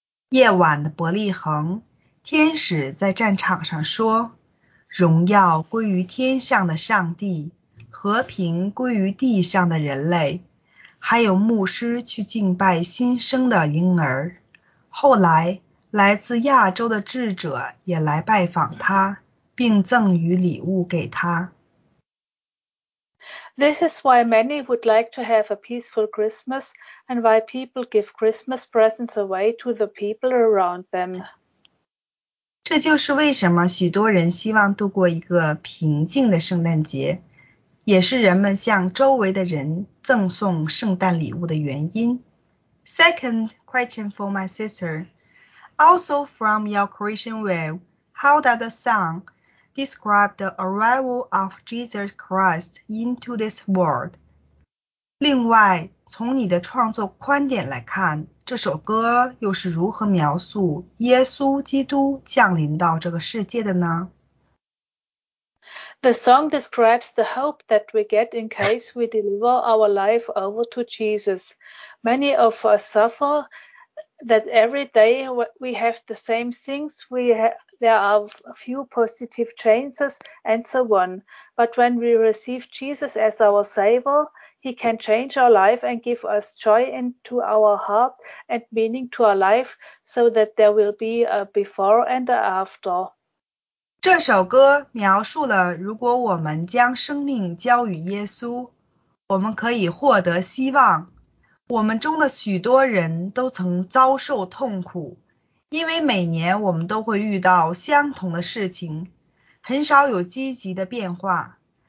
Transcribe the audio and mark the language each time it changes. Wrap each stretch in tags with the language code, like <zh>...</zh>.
<zh>夜晚的伯利恒，天使在战场上说，荣耀归于天上的上帝，和平归于地上的人类。还有牧师去敬拜新生的婴儿。后来，来自亚洲的智者也来拜访他，并赠予礼物给他。</zh> <en>This is why many would like to have a peaceful Christmas and why people give Christmas presents away to the people around them.</en> <zh>这就是为什么许多人希望度过一个平静的圣诞节，也是人们向周围的人赠送圣诞礼物的原因。</zh> <en>Second question for my sister. Also from your creation wave, how does the song describe the arrival of Jesus Christ into this world?</en> <zh>另外，从你的创作观点来看，这首歌又是如何描述耶稣基督降临到这个世界的呢？</zh> <en>The song describes the hope that we get in case we deliver our life over to Jesus. Many of us suffer that every day we have the same things, there are a few positive changes and so on. But when we receive Jesus as our Savior, He can change our life and give us joy into our heart and meaning to our life so that there will be a before and a after.</en> <zh>这首歌描述了如果我们将生命交与耶稣，我们可以获得希望。我们中的许多人都曾遭受痛苦，因为每年我们都会遇到相同的事情，很少有积极的变化。</zh>